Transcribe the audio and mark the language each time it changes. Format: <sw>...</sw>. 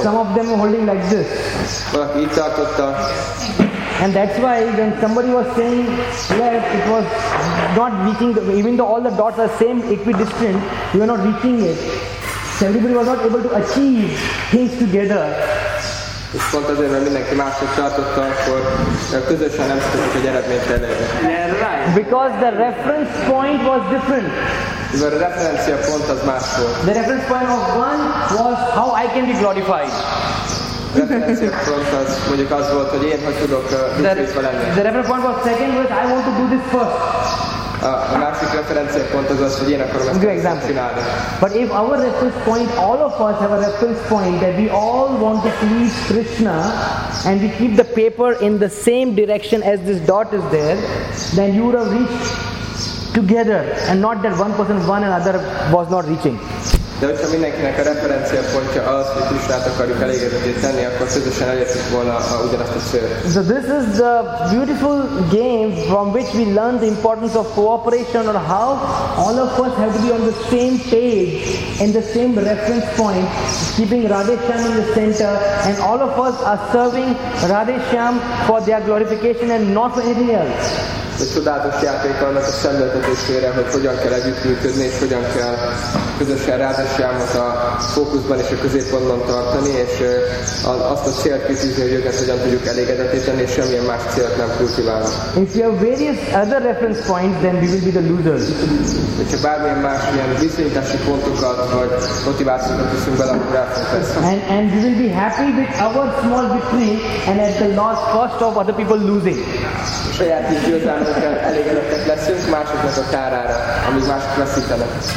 <en>Some of them were holding like this.</en> <hu>Valaki itt tartotta.</hu> <en>And that's why when somebody was saying left, it was not reaching, even though all the dots are same equidistant, you were not reaching it. So everybody was not able to achieve things together.</en> <hu>És pont azért, mert mindenki mások tartotta, akkor közösen nem tudjuk egy eredményt elérni.</hu> <en>Because the reference point was different.</en> <hu>Mert a referencia pont az más volt.</hu> <en>The reference point of one was how I can be glorified.</en> <hu>A referencia pont az mondjuk az volt, hogy én hogy tudok dicsőítve lenni.</hu> <en>The reference point was second was I want to do this first.</en> <hu>A másik referencia pont az, hogy én akarom ezt csinálni.</hu> <en>But if our reference point, all of us have a reference point that we all want to please Krishna and we keep the paper in the same direction as this dot is there, then you would have reached together and not that one person one and other was not reaching.</en> <hu>De hogyha mindenkinek a referencia pontja az, hogy Krishnát akarjuk elégedetté tenni, akkor közösen elértük volna ugyanazt a célt.</hu> <en>So this is the beautiful game from which we learn the importance of cooperation or how all of us have to be on the same page and the same reference point, keeping Radhe Shyam in the center, and all of us are serving Radhe Shyam for their glorification and not for anything else.</en> <hu>Egy csodálatos játék annak a szemléltetésére, hogy hogyan kell együttműködni, és hogyan kell közösen rádesámot a fókuszban és a középpontban tartani, és azt a célt kitűzni, hogy őket hogyan tudjuk elégedetíteni, és semmilyen más célt nem kultiválni.</hu> <en>If you have various other reference points, then we will be the losers.</en> <hu>Hogyha bármilyen más ilyen viszonyítási pontokat, vagy motivációkat teszünk bele, akkor el fog tesszük.</hu> <en>And we will be happy with our small victory, and at the last cost of other people losing.</en> <hu>Saját is elégedettek leszünk másoknak a tárára, amíg mások veszítenek.</hu>